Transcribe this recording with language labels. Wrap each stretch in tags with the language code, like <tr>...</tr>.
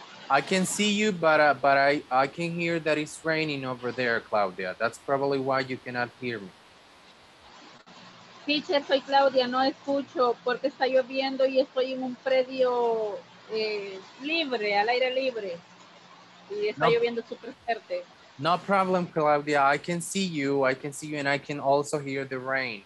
<en>I can see you, but I can hear that it's raining over there, Claudia. That's probably why you cannot hear me.</en> <es>Teacher, soy Claudia, no escucho porque está lloviendo y estoy en un predio libre, al aire libre. Y está lloviendo super fuerte.</es> <en>No problem, Claudia. I can see you. I can see you and I can also hear the rain.</en>